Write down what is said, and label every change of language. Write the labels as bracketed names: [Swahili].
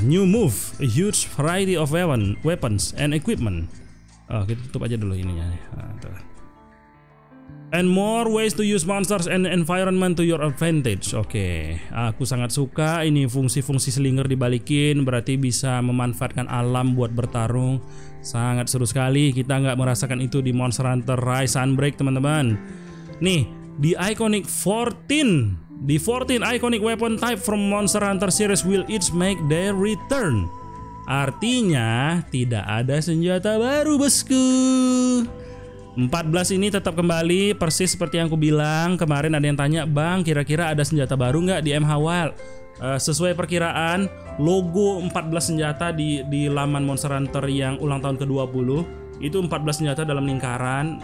[English] New move, a huge variety of weapons and equipment. [Indonesian] Oh, kita tutup aja dulu ininya. [English] And more ways to use monsters and environment to your advantage. [Indonesian] Oke, okay. Aku sangat suka ini fungsi-fungsi slinger dibalikin, berarti bisa memanfaatkan alam buat bertarung. Sangat seru sekali. Kita nggak merasakan itu di Monster Hunter Rise Sunbreak, teman-teman. Nih, di Iconic 14. [English] The 14 iconic weapon type from Monster Hunter series will each make their return. [Indonesian] Artinya tidak ada senjata baru, bosku. 14 ini tetap kembali persis seperti yang aku bilang kemarin. Ada yang tanya, bang, kira-kira ada senjata baru nggak di MH Wild? Sesuai perkiraan, logo 14 senjata di laman Monster Hunter yang ulang tahun ke-20 itu 14 senjata dalam lingkaran.